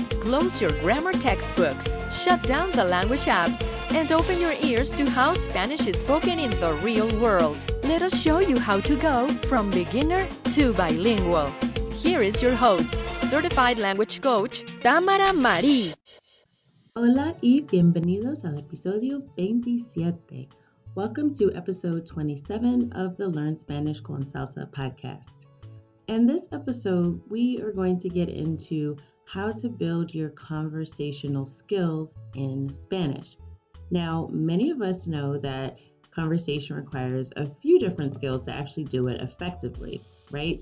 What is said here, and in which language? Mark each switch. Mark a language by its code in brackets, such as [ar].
[en] Close your grammar textbooks, shut down the language apps, and open your ears to how Spanish is spoken in the real world. Let us show you how to go from beginner to bilingual. Here is your host, certified language coach, Tamara Marí. [es] Hola y bienvenidos al episodio 27. [en] Welcome to episode 27 of the Learn Spanish con Salsa podcast. In this episode, we are going to get into how to build your conversational skills in Spanish. Now, many of us know that conversation requires a few different skills to actually do it effectively, right?